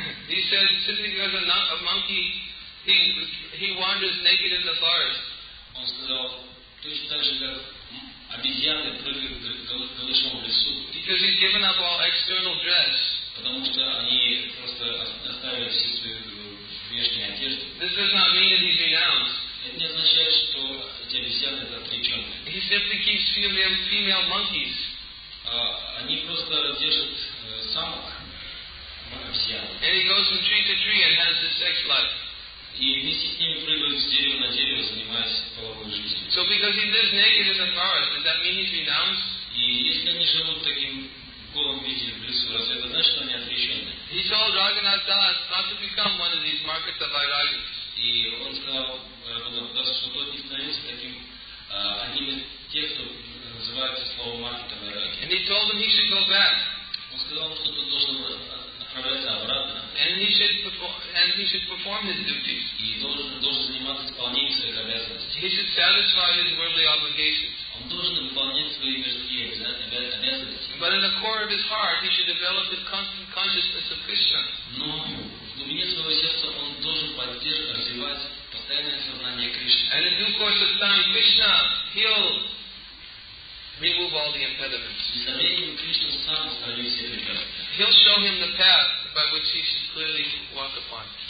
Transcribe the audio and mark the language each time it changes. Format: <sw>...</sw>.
<en>He said, simply because not a monkey, he wanders naked in the forest.</en> <ru>Он сказал, точно так же, как обезьяны прыгают голышом в лесу.</ru> <en>Because he's given up all external dress.</en> <ru>Потому что они просто оставили все свою внешнюю одежду.</ru> <en>This does not mean that he's renounced.</en> <ru>Это не означает, что эти обезьяны это отречённые.</ru> <en>He simply keeps female monkeys.</en> <ru>Они просто держат самок.</ru> <en>And he goes from tree to tree and has his sex life.</en> <ru>И вместе с ними прыгают с дерева на дерево, занимаясь половой жизнью.</ru> <en>So because he lives naked in the forest, does that mean he's renounced?</en> <ru>И если они живут таким голым виде в лесу, разве это значит, что они отречены?</ru> <en>He told Raghunath Das not to become one of these markets of Vairagis.</en> <ru>И он сказал, что тот не становится таким одним из тех, кто называется словом маркета Vairagis.</ru> <en>And he told him he should go back.</en> <ru>Он сказал, что тот должен</ru> <en>And he should perform his duties.</en> <ru>И должен заниматься исполнением своих обязанностей.</ru> <en>He should satisfy his worldly obligations.</en> <ru>Он должен выполнять свои мирские обязанности.</ru> <en>But in the core of his heart, he should develop the constant consciousness of Krishna.</en> <ru>Но в глубине своего сердца он должен поддерживать, развивать постоянное сознание Кришны.</ru> <en>And in due course of time, Krishna, he'll remove all the impediments. He'll show him the path by which he should clearly walk upon.</en>